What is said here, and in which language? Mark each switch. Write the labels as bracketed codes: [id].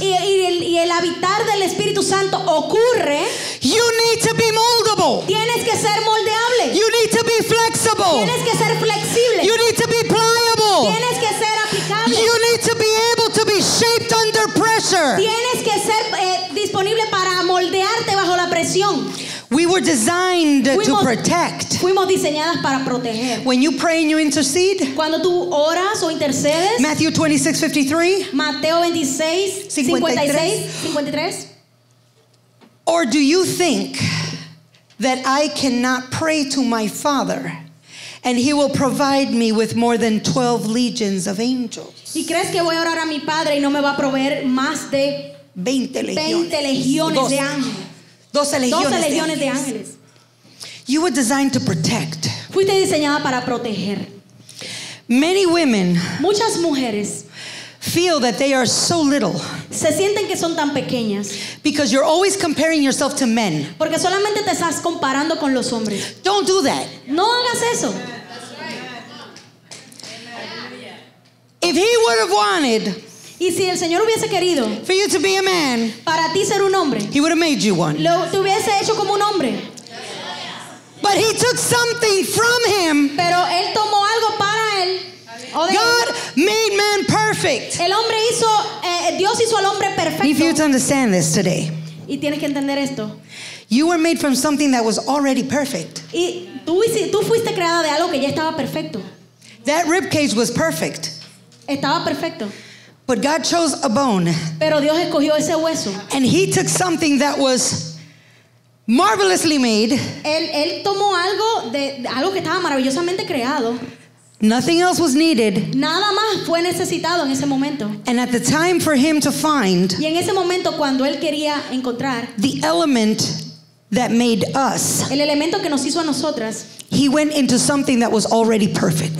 [es] y el habitar del Espíritu Santo ocurre, [en] you need to be moldable. [es] Tienes que ser moldeable. [en] You need to be flexible. [es] Tienes que ser flexible. [en] You need to be pliable. [es] Tienes que ser aplicable. [en] You need to be able to be shaped under pressure. [es] Tienes que ser disponible para moldearte bajo la presión. [en] We were designed to protect. [es] Fuimos diseñadas para proteger. [en] When you pray and you intercede, [es] cuando tú oras o intercedes, [en] Matthew 26:53. [es] Mateo 26:53. [en] Or do you think that I cannot pray to my Father and he will provide me with more than 12 legions of angels? [es] ¿Y crees que voy a orar a mi Padre y no me va a proveer más de 20 legiones de ángeles? 12 legiones de ángeles. [en] You were designed to protect. [es] Fuiste diseñada para proteger. [en] Many women, [es] muchas mujeres, [en] feel that they are so little. [es] Se sienten que son tan pequeñas. [en] Because you're always comparing yourself to men. [es] Porque solamente te estás comparando con los hombres. [en] Don't do that. [es] No hagas eso. [en] If he would have wanted, [es] y si el Señor hubiese querido, [en] for you to be a man, [es] para ti ser un hombre, [en] he would have made you one. [es] Lo te hubiese hecho como un hombre. [en] But he took something from him. [es] Pero él tomó algo para él. [en] God made man perfect. [es] El hombre hizo, Dios hizo al hombre perfecto. [en] If you to understand this today, [es] y tienes que entender esto. [en] You were made from something that was already perfect. [es] Y tú fuiste creada de algo que ya estaba perfecto. [en] That rib cage was perfect. [es] Estaba perfecto. [en] But God chose a bone. [es] Pero Dios escogió ese hueso. [en] And he took something that was marvelously made. [es] Él tomó algo de algo que estaba maravillosamente creado. [en] Nothing else was needed. [es] Nada más fue necesitado en ese momento. [en] And at the time for him to find, [es] y en ese momento cuando él quería encontrar, [en] the element that made us, [es] el elemento que nos hizo a nosotras, [en] he went into something that was already perfect.